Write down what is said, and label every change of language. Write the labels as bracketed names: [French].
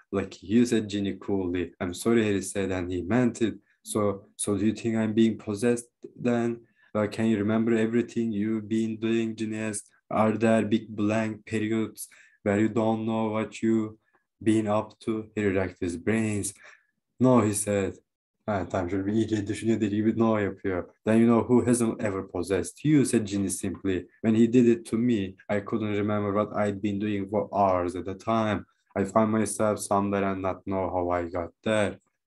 [English] Lucky you, said Ginny coolly. I'm sorry, Harry said, and he meant it. So do you think I'm being possessed then? Well, can you remember everything you've been doing, Ginny asked? Are there big blank periods where you don't know what you've been up to? He racked his brains. No, he said. [Turkish] Evet, tamam, şöyle bir iyice düşünüyor dediği gibi no yapıyor. [English] Then you know who hasn't ever possessed you, said Ginny simply. When he did it to me, I couldn't remember what I'd been doing for hours at a time. I find myself somewhere and not know how I got there.